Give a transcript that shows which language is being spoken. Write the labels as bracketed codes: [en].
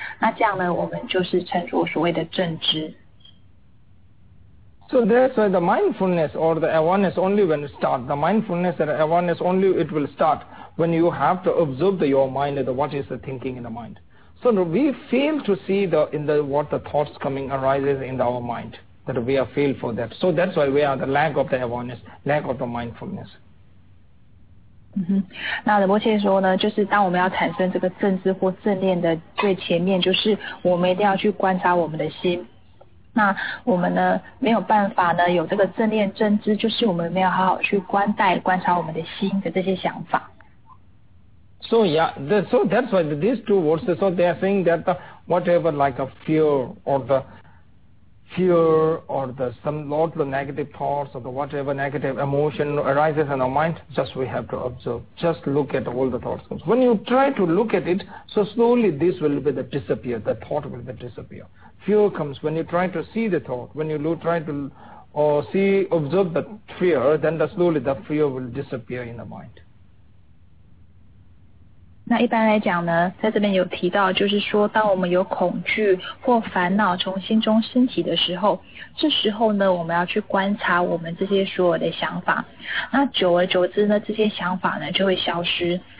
[zh] 那这样呢，我们就是称作所谓的正知。 [en] So that's why the mindfulness or the awareness only when it starts. The mindfulness and awareness only it will start when you have to observe the, your mind, the, what is the thinking in the mind. So we fail to see the, in the, what the thoughts coming arises in our mind, that we are failed for that. So that's why we are the lack of the awareness, lack of the mindfulness. [zh] 那仁波切说呢，就是当我们要产生这个正知或正念的最前面，就是我们一定要去观察我们的心。那我们呢没有办法呢有这个正念正知，就是我们没有好好去观待观察我们的心的这些想法。 [en] So yeah, so that's why these two verses, so they are saying that the, whatever like a fear or the fear or the some lot of negative thoughts or the whatever negative emotion arises in our mind, just we have to observe. Just look at all the thoughts. When you try to look at it, so slowly this will be the disappear, the thought will be disappear. Fear comes when you try to see the thought, when you try to observe the fear, then the slowly the fear will disappear in the mind. [zh] 那一般来讲呢，在这边有提到，就是说当我们有恐惧或烦恼从心中升起的时候，这时候呢，我们要去观察我们这些所有的想法，那久而久之呢，这些想法呢就会消失。